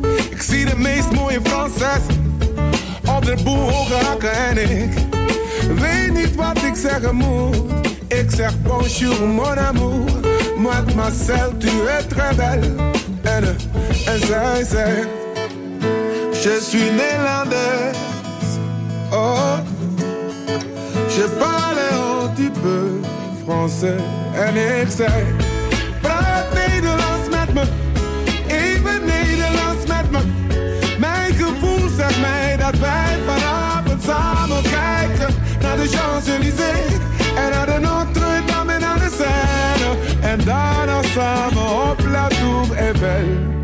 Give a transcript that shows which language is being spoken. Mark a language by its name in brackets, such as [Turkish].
[Dutch] Ik zie de meest mooie Franses. Op de boel hoge hakken en ik weet niet wat ik zeggen moet. Ik zeg [French] bonjour mon amour. Mademoiselle, tu es très belle. [Dutch] En zij zegt [French] je suis Nederlandaise. Oh, je parle un petit peu français. [Dutch] En ik zeg praat Nederlands met me. Even Nederlands met me. Mijn gevoel zegt mij dat wij vanavond samen kijken naar de Champs-Élysées. En naar de Notre-Dame en naar de Seine. En daarna samen op La Tour Eiffel.